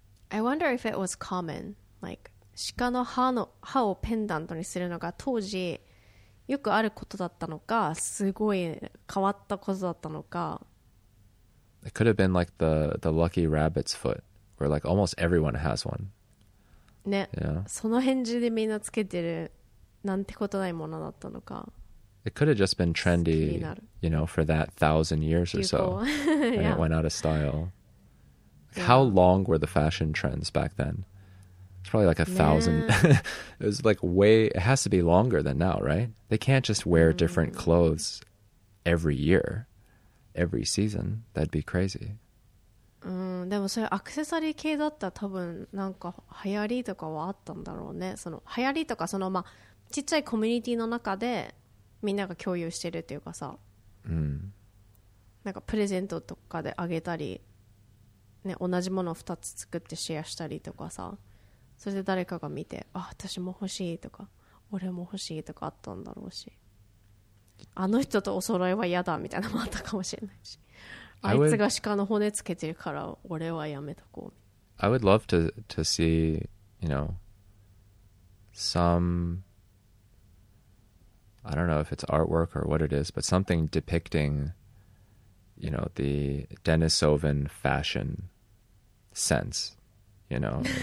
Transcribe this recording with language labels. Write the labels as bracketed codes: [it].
[en] I wonder if it was common, like, [ja] 鹿の歯の歯をペンダントにするのが当時よくあることだったのか、すごい変わったことだったのか。 [en] It could have been like the lucky rabbit's foot, where like almost everyone has one. ね、you know? [ja] その辺中でみんなつけてるなんてことないものだったのか。 [en] It could have just been trendy, you know, for that 1,000 years or so, and it went out of style. How long were the fashion trends back then? It's probably like 1,000. It was like way... It has to be longer than now, right? They can't just wear different clothes every year, every season. That'd be crazy. [ja] でもそれアクセサリー系だったら多分なんか流行りとかはあったんだろうね。その流行りとかそのまあちっちゃいコミュニティの中でみんなが共有してるっていうかさ。なんかプレゼントとかであげたり。ね、同じものを2つ作ってシェアしたりとかさ、それで誰かが見て、あ、私も欲しいとか、俺も欲しいとかあったんだろうし、あの人とお揃いは嫌だみたいなのもあったかもしれないし、あいつが鹿の骨つけてるから俺はやめとこう。 [en] I would love to see, you know, some, I don't know if it's artwork or what it is, but something depictingYou know, the Denisovan fashion sense, you know.